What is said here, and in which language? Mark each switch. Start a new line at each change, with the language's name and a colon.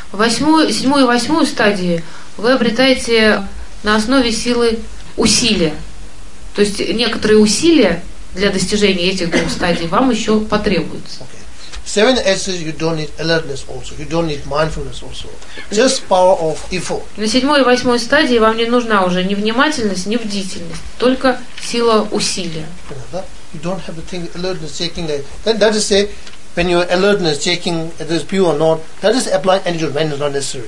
Russian: Седьмую и восьмую стадии вы обретаете на основе силы усилия. То есть некоторые усилия для достижения этих двух стадий вам еще потребуются.
English: Okay. Seven S's you don't need alertness also. You don't need mindfulness also. Just power of effort.
Russian: На седьмой и восьмой стадии вам не нужна уже ни внимательность, ни бдительность, только сила усилия.
English: You don't have to think alertness checking that. That is say, when your alertness checking if it's pure or not, that is applying energy when it's not necessary.